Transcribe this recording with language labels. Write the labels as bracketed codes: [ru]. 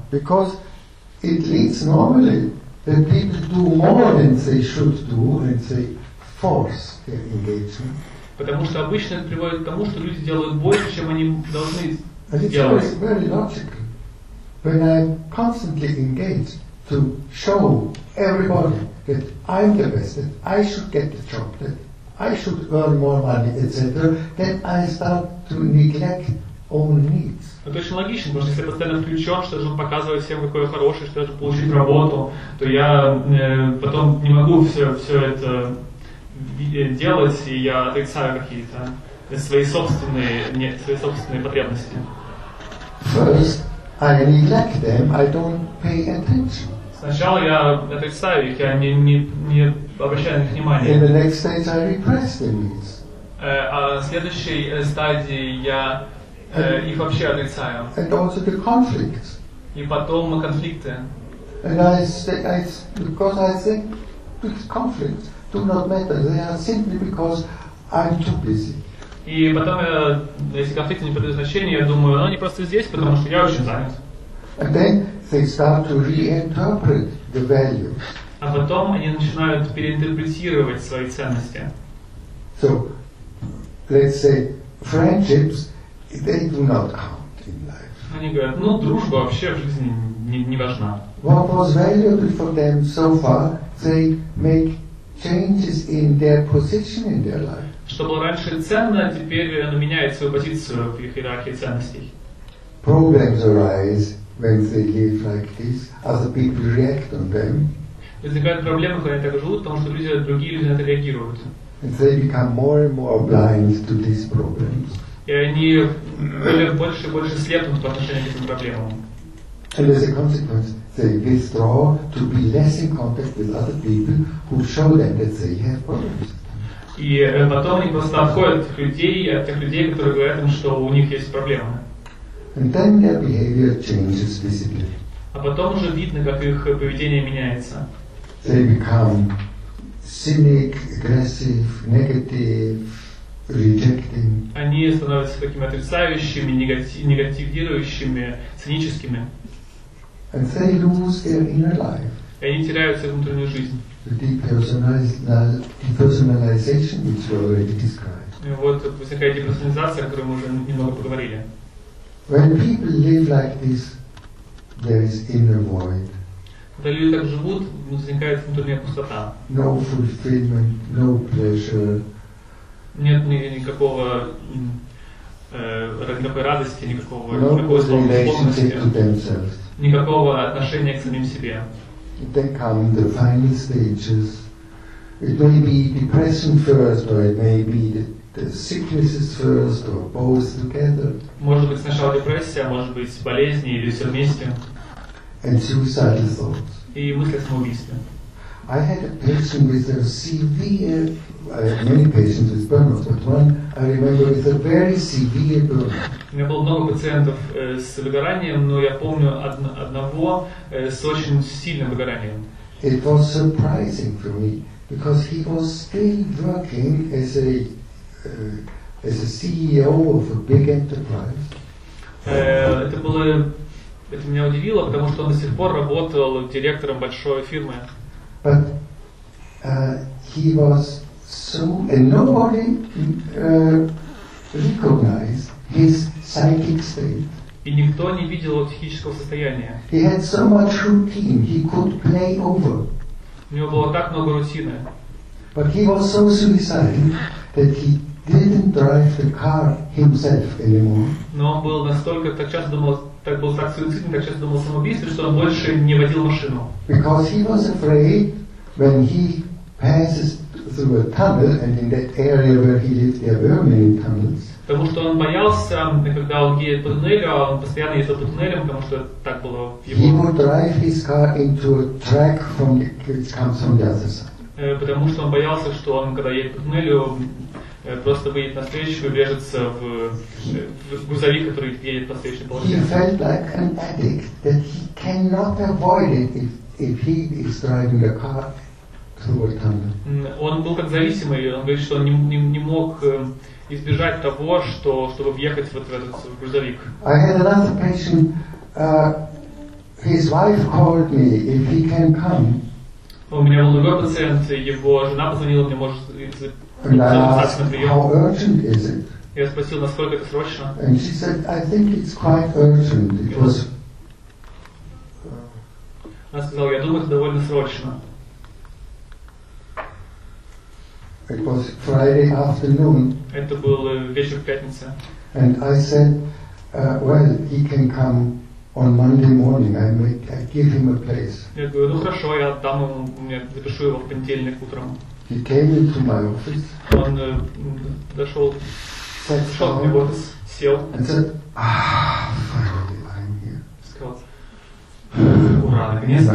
[en] Because it leads normally that people do more than they should do and they force their engagement. [ru] Потому что обычно это приводит к тому, что люди делают больше, чем они должны. [en] And it's always very logical. When I'm constantly engaged to show everybody that I'm the best, that I should get the job, that I should earn more money, etc., then I start to neglect own needs. [ru] Это очень логично, потому что если я постоянно включен, что должен показывать всем, какой я хороший, что я должен получить работу, то я потом не могу все это делать, и я отрицаю какие-то свои собственные потребности. [en] First, I neglect them. I don't pay attention. [ru] Сначала я отрицаю их, я не обращаю на них внимания. [en] In the next stage, I repress the needs. [ru] А в следующей стадии я их вообще отрицаю. [en] And also the conflicts. [ru] И потом конфликты. [en] And I say, because I think with conflicts, do not matter. They are simply because I'm too busy. [ru] И потом, если конфликты не придают значения, я думаю, они просто здесь, потому что я очень занят. [en] And then they start to reinterpret the values. [ru] А потом они начинают переинтерпретировать свои ценности. [en] So, let's say friendships, they do not count in life. [ru] Они говорят, ну дружба вообще в жизни не важна. [en] What was valuable for them so far, they make changes in their position in their life. [ru] Что было раньше ценно, теперь оно меняет свою позицию в их иерархии ценностей. [en] Problems arise when they live like this, other people react on them. [ru] Возникают проблемы, когда они так живут, потому что люди, другие люди на это реагируют. [en] And they become more and more blind to these problems. [ru] И они более, больше и больше слепнут по отношению к этим проблемам. [en] And as a consequence, they withdraw to be less in contact with other people who show them that they have problems. [ru] И потом они просто отходят от тех людей, которые говорят им, что у них есть проблемы. [en] And then their behavior changes visibly. [ru] А потом уже видно, как их поведение меняется. [en] They become cynic, aggressive, negative, rejecting. [ru] Они становятся такими отрицающими, негативирующими, циническими. [en] And they lose their inner life. [ru] И они теряют свою внутреннюю жизнь. [en] The depersonalization, which we already described. [ru] И вот всякая деперсонализация, о которой мы уже немного поговорили. [en] When people live like this, there is inner void. [ru] Когда люди так живут, возникает внутренняя пустота. [en] No fulfillment, no pleasure. [ru] Нет никакого никакой радости, никакого [en] no [ru] никакой сложности. Никакого отношения к самим себе. [en] Then come the final stages. It may be depression first, or it may be the sicknesses first, or both together. [ru] Может быть сначала депрессия, может быть болезни или все вместе. [en] And suicidal thoughts. [ru] И мысли о самоубийстве. [en] I had a patient with a severe, many patients with burnout, but one I remember with a very severe burnout. [ru] У меня было много пациентов с выгоранием, но я помню одного с очень сильным выгоранием. [en] It was surprising for me because he was still working as a CEO of a big enterprise. [ru] Это меня удивило, потому что он до сих пор работал директором большой фирмы. [en] But he was so, and nobody recognized his psychic state. [ru] И никто не видел его психического состояния. [en] He had so much routine, he could play over. [ru] У него было так много рутины. [en] But he was so suicidal that he didn't drive the car himself anymore. [ru] Но он был настолько, так часто думал о самоубийстве, что он больше не водил машину. [en] Because he was afraid when he passes through a tunnel, and in that area where he lived, there were many tunnels. [ru] Потому что он боялся, когда он едет по туннелю, он постоянно ездил по туннелям, потому что так было. [en] He would drive his car into a track from which comes from the other side. [ru] Потому что он боялся, что он, когда едет по туннелю, просто выйдет на встречу и врежется в грузовик, который едет по встречной полосе. [en] He felt like an addict that he cannot avoid it. If he is driving a car through a tunnel. [ru] Он был как зависимый, он говорит, что он не мог избежать того, чтобы въехать в этот грузовик. [en] I had another patient, his wife called me if he can come. [ru] У меня был другой пациент, его жена позвонила мне, может, записаться на прием. [en] How urgent is it? [ru] Я спросил, насколько это срочно. [en] And she said, I think it's quite urgent. It was. [ru] Она сказала, я думаю, это довольно срочно. [en] It was Friday afternoon. [ru] Это был вечер пятницы. [en] And I said, well, he can come on Monday morning. I give him a place. [ru] Я говорю, ну хорошо, я дам ему, я запишу его в понедельник утром. [en] He came into my office. [ru] Он дошел, зашел в мой офис, сел. [en] And said, finally, I'm here. [ru] Сказал. Ура, наконец-то.